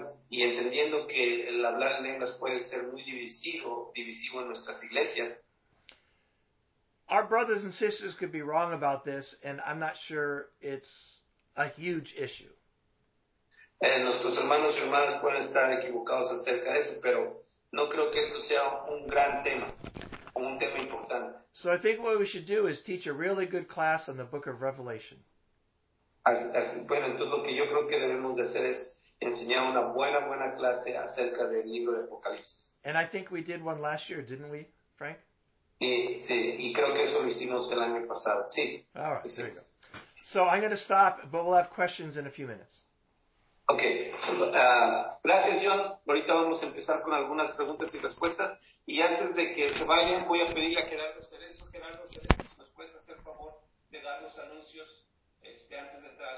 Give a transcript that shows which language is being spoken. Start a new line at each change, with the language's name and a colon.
Spanish: Y entendiendo que el hablar en lenguas puede ser muy divisivo en nuestras iglesias.
English: Our brothers and sisters could be wrong about this, and I'm not sure it's a huge issue.
Spanish: Nuestros hermanos y hermanas pueden estar equivocados acerca de eso, pero no creo que esto sea un gran tema, o un tema importante.
English: So I think what we should do is teach a really good class on the book of Revelation.
Spanish: Bueno, entonces lo que yo creo que debemos de hacer es enseñar una buena, buena clase acerca del libro de Apocalipsis.
English: And I think we did one last year, didn't we, Frank?
Spanish: Sí, y creo que eso lo hicimos el año pasado. Sí.
English: All right, there you go. So I'm going to stop, but we'll have questions in a few minutes.
Spanish: Okay. Gracias, John. Ahorita vamos a empezar con algunas preguntas y respuestas. Y antes de que se vayan, voy a pedir a Gerardo Cerezo. Gerardo Cerezo, si nos puedes hacer favor de dar los anuncios antes de entrar a la